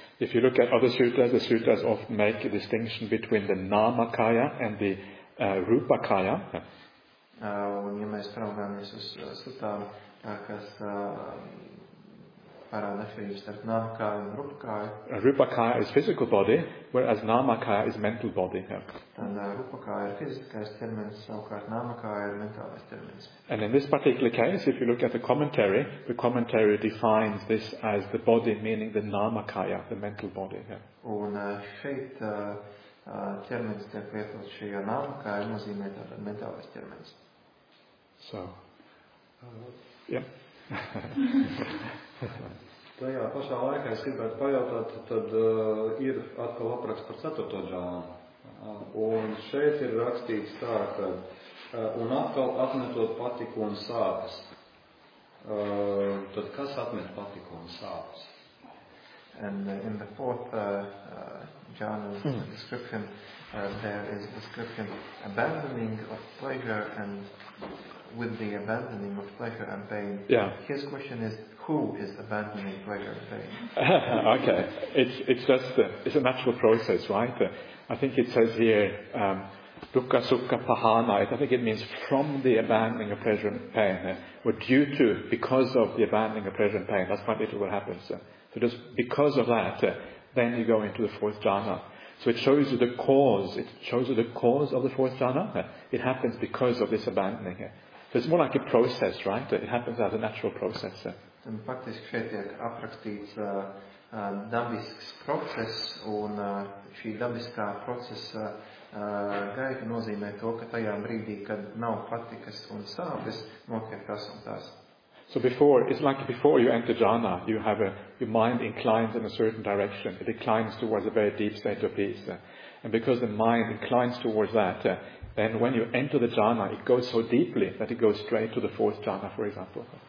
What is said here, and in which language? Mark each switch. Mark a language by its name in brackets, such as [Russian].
[English] If you look at other sutras, the sutras often make a distinction between the nāmakāya and the rūpakāya. [Latvian] Un ja mēs praugāmies uz sutām, kas parāda atšķirības starp nāmakāya un rūpakāya. [English] Rūpakāya is physical body, whereas nāmakāya is mental body. [Latvian] Tad rūpakāya ir fiziskais termins, savukārt nāmakāya ir mentālais termins. [English] And in this particular case, if you look at the commentary defines this as the body, meaning the nāmakāya, the mental body. [Latvian] Un šeit termins tiek lietots šajā nāmakāya, nozīmē tātad mentālais termins. [English] So, yeah. [Latvian] Tajā pašā laikā es gribētu pajautāt, tad ir atkal apraksts par 4. jhānu. Un šeit ir rakstīts tā, ka un atkal atmetot patiku un sāpes. Tad kas atmet patiku un sāpes? [English] And in the 4th jhāna's description there is description abandoning of pleasure and with the abandoning of pleasure and pain. Yeah. His question is, who is abandoning pleasure and pain? Okay. It's a natural process, right? I think it says here, [Pali] dukkha sukha pahana. [English] I think it means from the abandoning of pleasure and pain, or due to, because of the abandoning of pleasure and pain. That's quite literally what happens. So just because of that, then you go into the fourth jhana. So it shows you the cause. It shows you the cause of the fourth jhana. It happens because of this abandoning. It's more like a process, right? It happens as a natural process. [Latvian] Un faktiski šeit tiek aprakstīts dabisks process, un šī dabiskā procesa gaita nozīmē to, ka tajā brīdī, kad nav patikas un sāpes, notiek tas un tas. [English] So before, it's like before you enter jhana, you have your mind inclines in a certain direction. It inclines towards a very deep state of peace. And because the mind inclines towards that, then when you enter the jhana, it goes so deeply that it goes straight to the fourth jhana, for example.